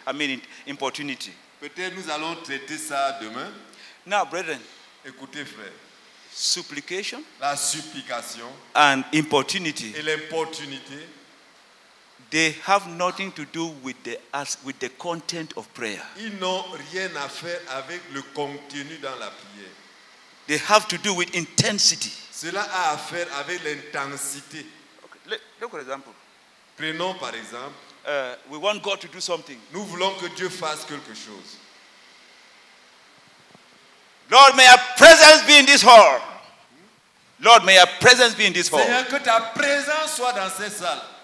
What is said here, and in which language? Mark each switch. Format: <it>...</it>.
<en>I mean importunity.</en> <fr>Peut-être nous allons traiter ça demain.</fr> <en>Now, brethren.</en> <fr>Écoutez, frère.</fr> <en>Supplication,</en> <fr>la supplication</fr> <en>and importunity,</en> <fr>et l'importunité,</fr> <en>they have nothing to do with the ask, with the content of prayer.</en> <fr>Ils n'ont rien à faire avec le contenu dans la prière.</fr> <en>They have to do with intensity.</en> <fr>Cela a à faire avec l'intensité.</fr> <en>Look for example.</en> <fr>Prenons par exemple.</fr> <en>We want God to do something.</en> <fr>Nous voulons que Dieu fasse quelque chose.</fr> <en>Lord, may your presence be in this hall. Lord, may your presence be in this hall.</en> <fr>Seigneur, que ta présence soit dans cette salle.</fr>